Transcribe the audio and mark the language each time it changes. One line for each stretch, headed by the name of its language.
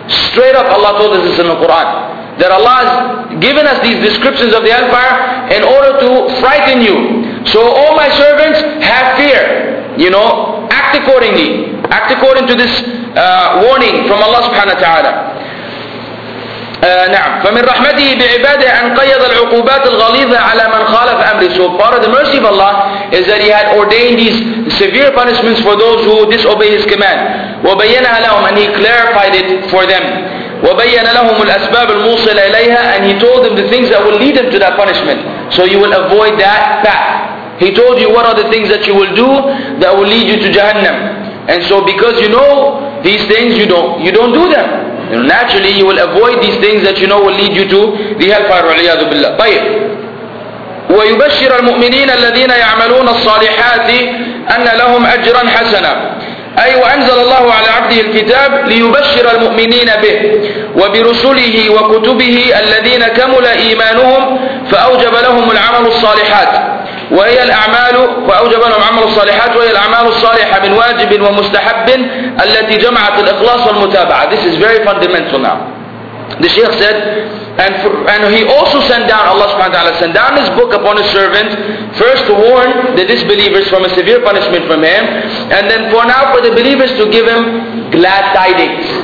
English: Straight up Allah told us this in the Quran. That Allah has given us these descriptions of the hellfire in order to frighten you. So all my servants have fear. You know, act accordingly. Act according to this warning from Allah subhanahu wa ta'ala.
Arabic: نعم. فمن رحمته بعباده أن قيد العقوبات الغليظة على من خالف أمره.
English: So part of the mercy of Allah is that He had ordained these severe punishments for those who disobey His command.
Arabic: وبينها لهم,
English: and He clarified it for them.
Arabic: وبين لهم الأسباب الموصلة إليها,
English: and he told them the things that will lead them to that punishment, so you will avoid that path. He told you what are the things that you will do that will lead you to Jahannam, and so because you know these things, you don't do them. And naturally, you will avoid these things that you know will lead you to the hellfire.
Arabic: وعياذ بالله. طيب. ويبشر المؤمنين الذين يعملون الصالحات أن لهم أجرا حسنا. أي وأنزل الله على عبده الكتاب ليبشر المؤمنين به وبرسله وكتبه الذين كمل إيمانهم فأوجب لهم العمل الصالحات وهي الأعمال وأوجب لهم عمل الصالحات وهي الأعمال الصالحة من واجب ومستحب التي جمعت الإخلاص والمتابعة.
English: This is very fundamental now. The Shaykh said, and he also sent down, Allah subhanahu wa ta'ala sent down his book upon his servant, first to warn the disbelievers from a severe punishment from him, and then for now for the believers to give him glad tidings.